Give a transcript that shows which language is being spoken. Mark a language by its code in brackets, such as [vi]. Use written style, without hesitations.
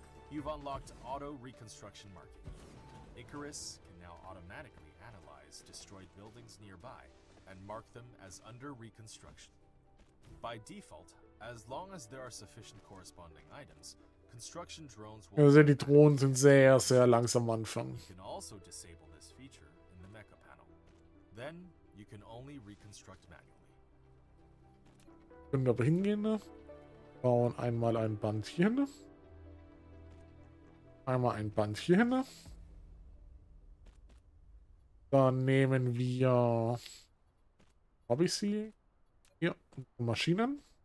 [en] You've unlocked auto reconstruction marking. Icarus can now automatically analyze destroyed buildings nearby and mark them as under reconstruction. By default, as long as there are sufficient corresponding items, construction drones will. [de] Also die Drohnen sind sehr, sehr langsam am Anfang. [en] You can also disable this feature in the mecha panel. Then you can only reconstruct manually. [de] Können wir aber hingehen, ne? Bauen einmal ein Band hier hin. Einmal ein Band hier hin. Dann nehmen wir Obviously. Hier, Maschinen.